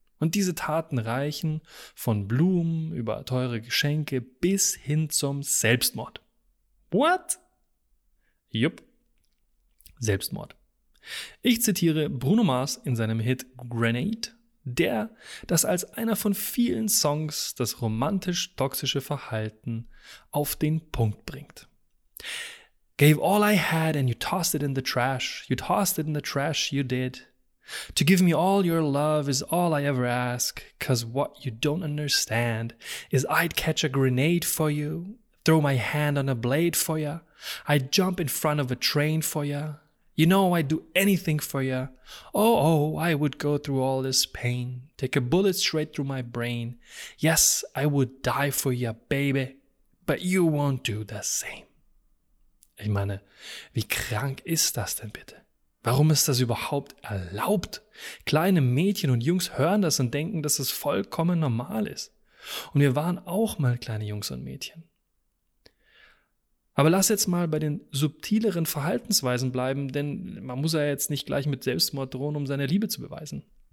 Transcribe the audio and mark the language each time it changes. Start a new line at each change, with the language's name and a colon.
German: Und diese Taten reichen von Blumen über teure Geschenke bis hin zum Selbstmord. What? Jupp. Selbstmord. Ich zitiere Bruno Mars in seinem Hit Grenade, der das als einer von vielen Songs das romantisch-toxische Verhalten auf den Punkt bringt.
English: Gave all I had and you tossed it in the trash, you did. To give me all your love is all I ever ask, cause what you don't understand is I'd catch a grenade for you, throw my hand on a blade for you, I'd jump in front of a train for you. You know, I'd do anything for you. Oh, oh, I would go through all this pain. Take a bullet straight through my brain. Yes, I would die for you, baby. But you won't do the same.
German: Ich meine, wie krank ist das denn bitte? Warum ist das überhaupt erlaubt? Kleine Mädchen und Jungs hören das und denken, dass es vollkommen normal ist. Und wir waren auch mal kleine Jungs und Mädchen. Aber lass jetzt mal bei den subtileren Verhaltensweisen bleiben, denn man muss ja jetzt nicht gleich mit Selbstmord drohen, um seine Liebe zu beweisen.